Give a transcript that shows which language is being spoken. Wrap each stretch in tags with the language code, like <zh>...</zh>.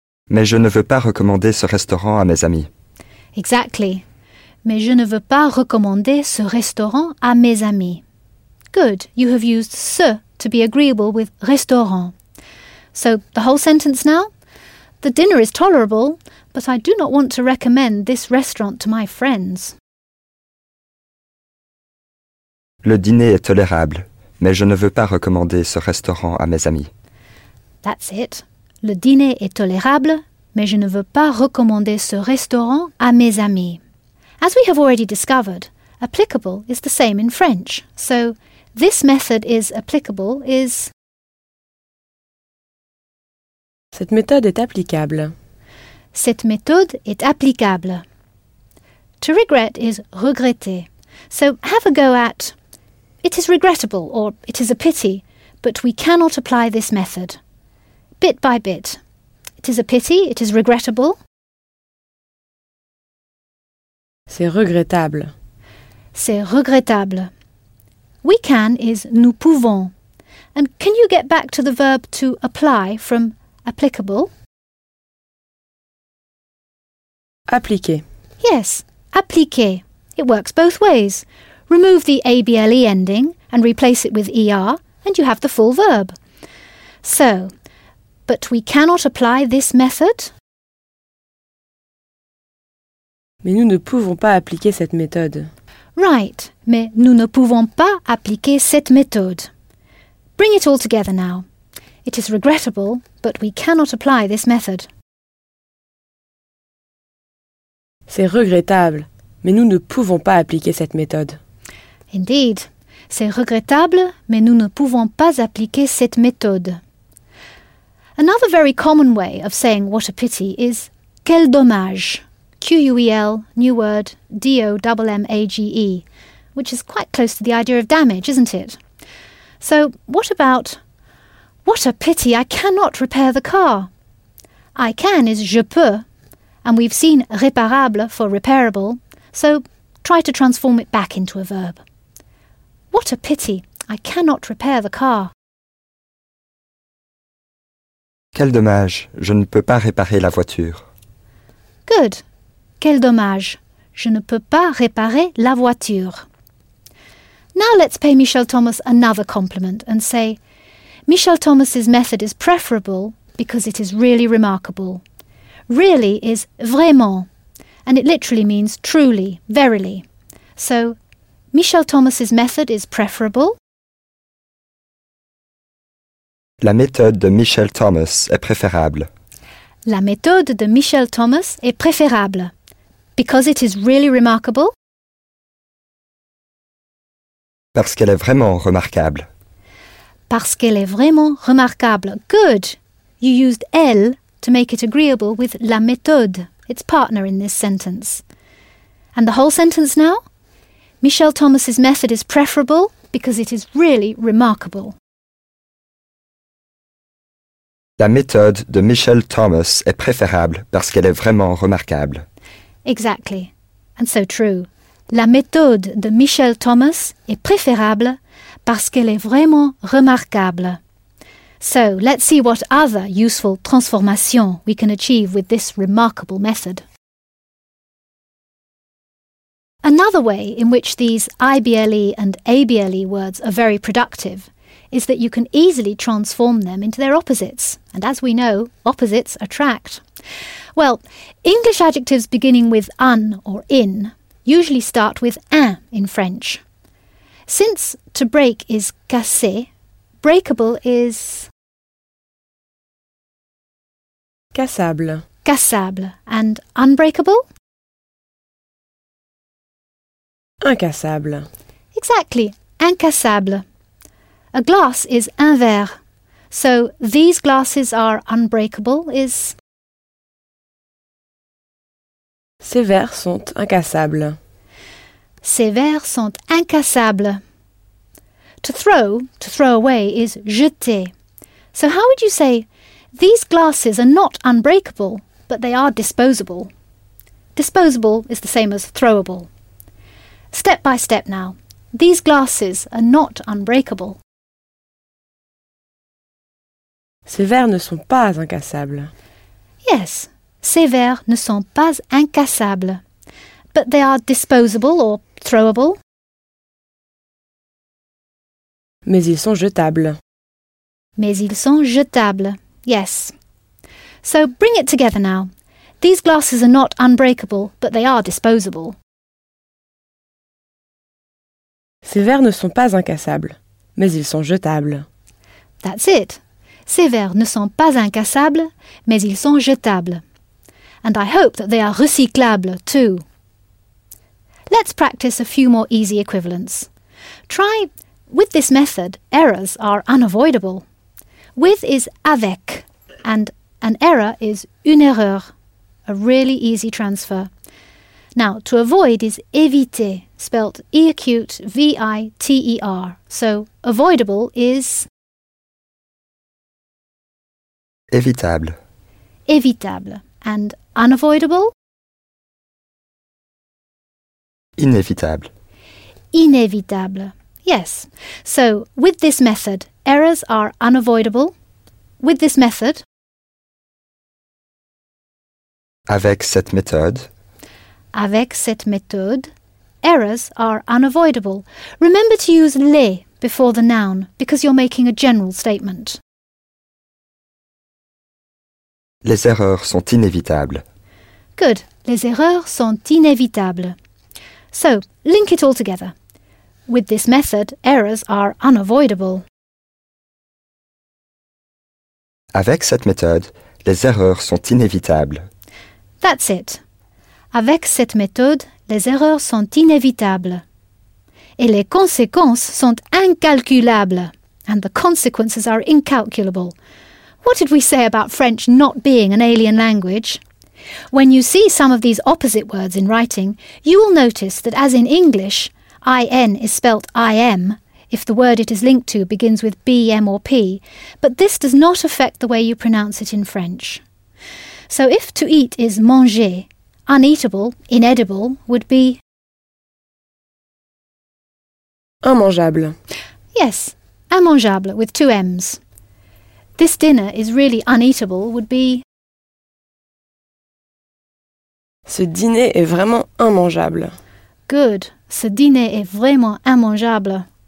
<fr>Mais je ne veux pas recommander ce restaurant à mes amis.</fr> <en>Exactly.</en> <fr>Mais je ne veux pas recommander ce restaurant à mes amis.</fr> <en>Good, you have used ce to be agreeable with restaurant. So, the whole sentence now? The dinner is tolerable, but I do not want to recommend this restaurant to my friends.</en> <fr>Le dîner est tolérable, mais je ne veux pas recommander ce restaurant à mes amis.</fr> <en>That's it.</en> <fr>Le dîner est tolérable, mais je ne veux pas recommander ce restaurant à mes amis.</fr> <en>As we have already discovered, applicable is the same in French. So, this method is applicable is...</en> <fr>Cette méthode est applicable. Cette méthode est applicable.</fr> <en>To regret is regretter. So, have a go at... It is regrettable or it is a pity, but we cannot apply this method. Bit by bit. It is a pity, it is regrettable.</en> <fr>C'est regrettable. C'est regrettable.</fr> <en>We can is</en> <fr>nous pouvons.</fr> <en>And can you get back to the verb to apply from applicable?</en> <fr>Appliquer.</fr> <en>Yes, appliquer. It works both ways. Remove the able ending and replace it with er and you have the full verb. So, but we cannot apply this method.</en> <fr>Mais nous ne pouvons pas appliquer cette méthode. Right, mais nous ne pouvons pas appliquer cette méthode.</fr> <en>Bring it all together now. It is regrettable, but we cannot apply this method.</en> <fr>C'est regrettable, mais nous ne pouvons pas appliquer cette méthode. Indeed, c'est regrettable, mais nous ne pouvons pas appliquer cette méthode.</fr> <en>Another very common way of saying what a pity is</en> <fr>quel dommage.</fr> <en>Q-U-E-L, new word, D-O-M-M-A-G-E, which is quite close to the idea of damage, isn't it? So, what about, what a pity, I cannot repair the car. I can is</en> <fr>je peux,</fr> <en>and we've seen réparable for repairable, so try to transform it back into a verb. What a pity, I cannot repair the car.</en> <fr>Quel dommage, je ne peux pas réparer la voiture.</fr> <en>Good.</en> <fr>Quel dommage, je ne peux pas réparer la voiture.</fr> <en>Now let's pay Michel Thomas another compliment and say, Michel Thomas's method is preferable because it is really remarkable. Really is vraiment, and it literally means truly, verily. So, Michel Thomas's method is preferable.</en> <fr>La méthode de Michel Thomas est préférable. La méthode de Michel Thomas est préférable.</fr> <en>Because it is really remarkable?</en> <fr>Parce qu'elle est vraiment remarquable. Parce qu'elle est vraiment remarquable.</fr> <en>Good. You used elle to make it agreeable with</en> <fr>la méthode,</fr> <en>its partner in this sentence. And the whole sentence now? Michel Thomas's method is preferable because it is really remarkable.</en> <fr>La méthode de Michel Thomas est préférable parce qu'elle est vraiment remarquable.</fr> <en>Exactly. And so true.</en> <fr>La méthode de Michel Thomas est préférable parce qu'elle est vraiment remarquable.</fr> <en>So let's see what other useful transformations we can achieve with this remarkable method. Another way in which these IBLE and ABLE words are very productive is that you can easily transform them into their opposites. And as we know, opposites attract. Well, English adjectives beginning with un or in usually start with un in French. Since to break is casser, breakable is</en> <fr>cassable.</fr> <en>Cassable. And unbreakable?</en> <fr>Incassable.</fr> <en>Exactly, incassable. A glass is</en> <fr>un verre.</fr> <en>So these glasses are unbreakable is</en> <fr>ces verres sont incassables. Ces verres sont incassables.</fr> <en>To throw away, is jeter. So how would you say, these glasses are not unbreakable, but they are disposable? Disposable is the same as throwable. Step by step now. These glasses are not unbreakable.</en> <fr>Ces verres ne sont pas incassables.</fr> <en>Yes.</en> <fr>Ces verres ne sont pas incassables.</fr> <en>But they are disposable or throwable.</en> <fr>Mais ils sont jetables. Mais ils sont jetables. Yes.</fr> <en>So bring it together now. These glasses are not unbreakable, but they are disposable.</en> <fr>Ces verres ne sont pas incassables, mais ils sont jetables.</fr> <en>That's it.</en> <fr>Ces verres ne sont pas incassables, mais ils sont jetables.</fr> <en>And I hope that they are recyclables too. Let's practice a few more easy equivalents. Try, with this method, errors are unavoidable. With is avec, and an error is</en> <fr>une erreur,</fr> <en>a really easy transfer. Now, to avoid is éviter, spelt E-acute V-I-T-E-R. So, avoidable is</en> <fr>évitable.</fr> <en>Évitable. And unavoidable?</en> <fr>Inévitable. Inévitable. Yes.</fr> <en>So, with this method, errors are unavoidable. With this method?</en> <fr>Avec cette méthode. Avec cette méthode,</fr> <en>errors are unavoidable. Remember to use les before the noun because you're making a general statement.</en> <fr>Les erreurs sont inévitables.</fr> <en>Good.</en> <fr>Les erreurs sont inévitables.</fr> <en>So, link it all together. With this method, errors are unavoidable.</en> <fr>Avec cette méthode, les erreurs sont inévitables.</fr> <en>That's it.</en> <fr>Avec cette méthode, les erreurs sont inévitables. Et les conséquences sont incalculables.</fr> <en>And the consequences are incalculable. What did we say about French not being an alien language? When you see some of these opposite words in writing, you will notice that as in English, IN is spelt IM, if the word it is linked to begins with B, M or P, but this does not affect the way you pronounce it in French. So if to eat is manger, uneatable, inedible, would be</en> <fr>immangeable.</fr> <en>Yes, immangeable, with two M's. This dinner is really uneatable would be</en> <fr>ce dîner est vraiment immangeable.</fr> <en>Good.</en> <fr>Ce dîner est vraiment immangeable.</fr>